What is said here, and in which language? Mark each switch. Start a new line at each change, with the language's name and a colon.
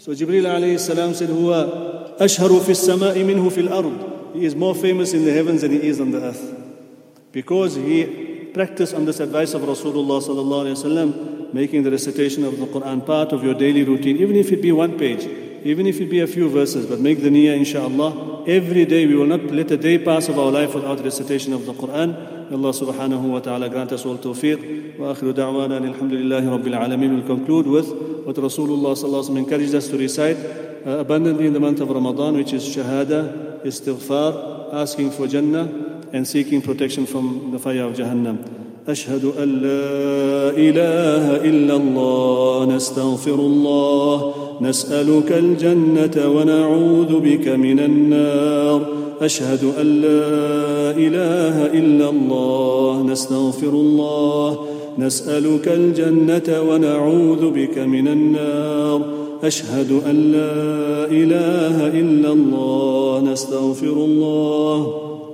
English: So Jibreel alayhi salam said,
Arabic: هو أشهر في السماء منه في الأرض.
English: He is more famous in the heavens than he is on the earth, because he practiced on this advice of Rasulullah sallallahu alayhi wa sallam, making the recitation of the Qur'an part of your daily routine, even if it be one page, even if it be a few verses, but make the niyyah inshaAllah. Every day we will not let a day pass of our life without recitation of the Qur'an. Allah subhanahu wa ta'ala grant us all tawfiq.
Arabic: Wa akhiru da'wana anil hamdulillahi rabbil alameen.
English: We'll conclude with what Rasulullah sallallahu alayhi wa sallam encouraged us to recite abundantly in the month of Ramadan, which is shahada, istighfar, asking for jannah, and seeking protection from the fire of Jahannam.
Arabic: أشهد أن لا إله إلا الله نستغفر الله نسألك الجنة ونعوذ بك من النار أشهد أن لا إله إلا الله نستغفر الله نسألك الجنة ونعوذ بك من النار أشهد أن لا إله إلا الله نستغفر الله